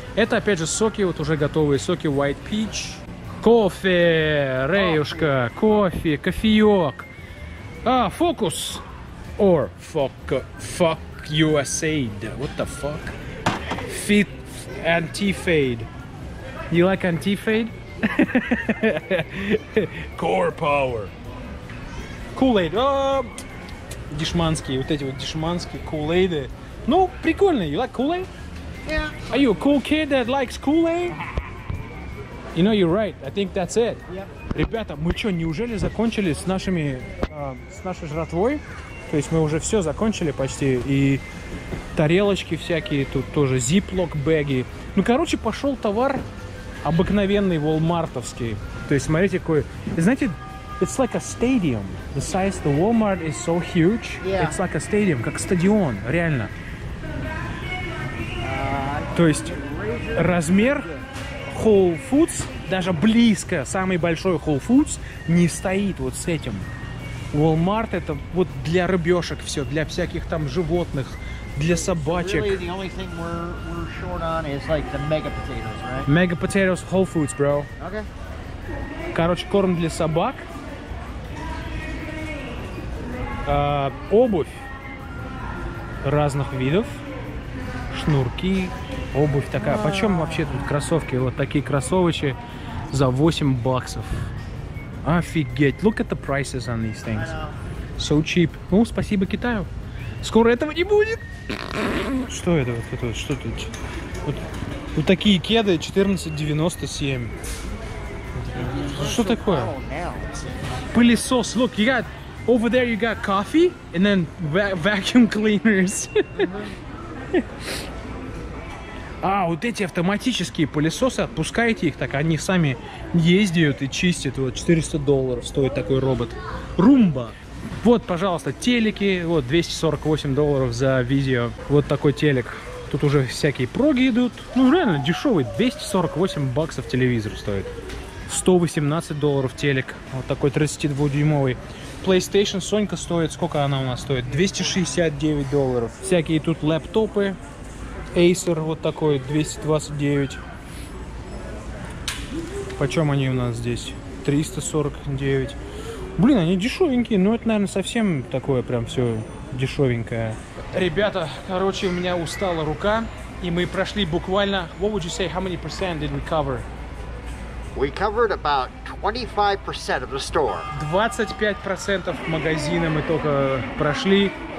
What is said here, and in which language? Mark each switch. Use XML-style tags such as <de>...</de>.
<ru>Это, опять же, соки, вот уже готовые соки,</ru> <en>white peach,</en> <ru>кофе, Реюшка, кофе, кофеек, а, фокус,</ru> <en>or fuck USA, what the fuck? Fit anti-fade. You like anti-fade? Core power. Kool-Aid.</en> <ru>Дешманские. Вот эти вот дешманские Kool-Aid. Ну, прикольные.</ru> <en>You like Kool-Aid? Yeah. Are you a cool kid that likes Kool-Aid? You know, you're right. I think that's it. Yep.</en> <ru>Ребята, мы что, неужели закончили с нашими... с нашей жратвой? То есть мы уже все закончили почти, и тарелочки всякие, тут тоже зиплок, бэги. Ну, короче, пошел товар обыкновенный, волмартовский. То есть, смотрите, какой... Знаете,</ru> <en>it's like a stadium. The size of the Walmart is so huge. Yeah. It's like a stadium,</en> <ru>как стадион, реально. То есть размер Whole Foods, даже близко, самый большой Whole Foods, не стоит вот с этим. Walmart это вот для рыбешек все, для всяких там животных, для собачек.</ru> <en>Really, the only thing we're short on is like the mega potatoes, right? Mega potatoes, Whole Foods, bro. Okay.</en> <ru>Короче, корм для собак. Обувь разных видов. Шнурки, обувь такая. Почем вообще тут кроссовки? Вот такие кроссовочки за 8 баксов. Офигеть,</ru> <en>look at the prices on these things. So cheap.</en> <ru>Ну, спасибо Китаю. Скоро этого не будет. Что это? Вот это вот, что тут? Вот такие кеды 14.97. Что такое? Пылесос.</ru> <en>Look, you got over there you got coffee and then vacuum cleaners.</en> <ru>А, вот эти автоматические пылесосы, отпускайте их, так они сами ездят и чистят. Вот $400 стоит такой робот. Румба. Вот, пожалуйста, телеки. Вот, $248 за видео. Вот такой телек. Тут уже всякие проги идут. Ну, реально, дешевый. $248 телевизор стоит. $118 телек. Вот такой 32-дюймовый. PlayStation Сонька стоит. Сколько она у нас стоит? $269. Всякие тут лэптопы. Acer вот такой, 229. Почем они у нас здесь? 349. Блин, они дешевенькие, но это, наверное, совсем такое прям все дешевенькое. Ребята, короче, у меня устала рука, и мы прошли буквально...</ru> <en>What would you say, how many percent did we cover? We covered about 25% of the store.</en> <ru>25% магазина мы только прошли.</ru>